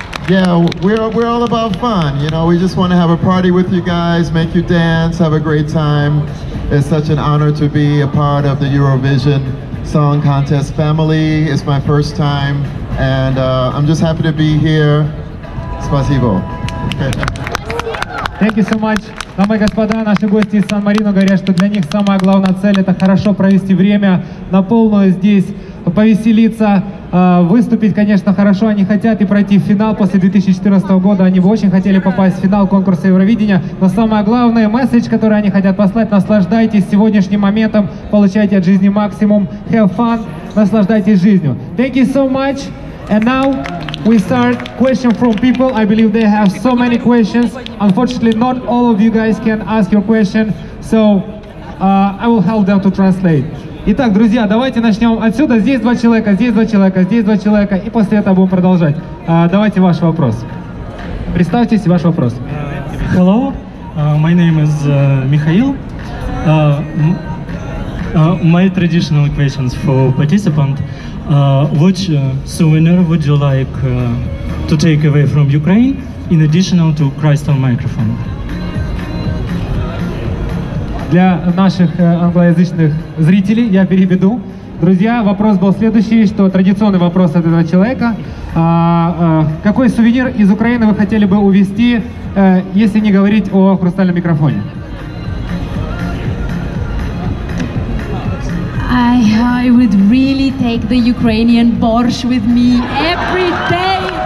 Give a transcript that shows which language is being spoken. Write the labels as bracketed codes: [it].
[en] Yeah, we're all about fun, you know. We just want to have a party with you guys, make you dance, have a great time. It's such an honor to be a part of the Eurovision Song Contest family. It's my first time, and I'm just happy to be here. [ru] Спасибо. [en] Thank you so much. [ru] Дамы и господа, наши гости из Сан-Марино говорят, что для них самая главная цель – это хорошо провести время на полную здесь, повеселиться. Выступить, конечно, хорошо они хотят и пройти в финал после 2014 года. Они бы очень хотели попасть в финал конкурса Евровидения. Но самое главное, месседж, который они хотят послать – наслаждайтесь сегодняшним моментом, получайте от жизни максимум. [en] Have fun, [ru] наслаждайтесь жизнью. [en] Thank you so much. And now we start question from people. I believe they have so many questions. Unfortunately, not all of you guys can ask your question. So I will help them to translate. [ru] Итак, друзья, давайте начнем отсюда. Здесь два человека, здесь два человека, здесь два человека. И после этого будем продолжать. Давайте ваш вопрос. Представьтесь, ваш вопрос. [en] Hello, my name is Михаил. My traditional questions for participant. Which souvenir would you like to take away from Ukraine in addition to crystal microphone? [ru] Для наших англоязычных зрителей я переведу. Друзья, вопрос был следующий, что традиционный вопрос от этого человека. Какой сувенир из Украины вы хотели бы увезти, если не говорить о хрустальном микрофоне? [en] I would really take the Ukrainian borscht with me every day.